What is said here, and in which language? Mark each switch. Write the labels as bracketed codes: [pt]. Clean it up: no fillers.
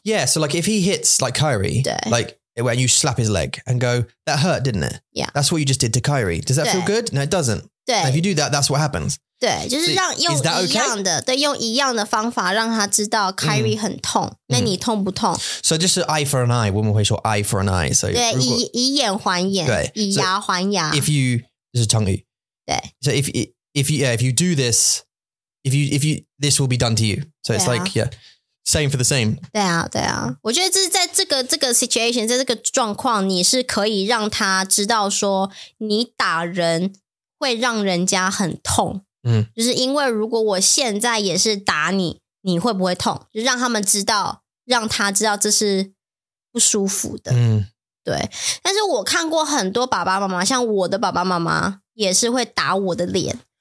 [en] Yeah, so like if he hits like Kyrie, like when you slap his leg and go, that hurt, didn't it? Yeah. That's what you just did to Kyrie. Does that feel good? No, it doesn't. Now, if you do that, that's what happens. [zh] 对,就是让用一样的, 对,用一样的方法让他知道 Kyrie很痛, 那你痛不痛? [en] So just eye for an eye, [zh] 我们会说 [en] eye for an eye. So [zh] 对,以眼还眼, 以牙还牙。 [en] If you, [zh] 这是成语, 对。 [en] So if it, If you do this, if you this will be done to you. So it's like, yeah, same for the same. [zh] 对啊，对啊。我觉得这是在这个 situation, 在这个状况，你是可以让他知道说你打人会让人家很痛。嗯，就是因为如果我现在也是打你，你会不会痛？就让他们知道，让他知道这是不舒服的。嗯，对。但是我看过很多爸爸妈妈，像我的爸爸妈妈也是会打我的脸。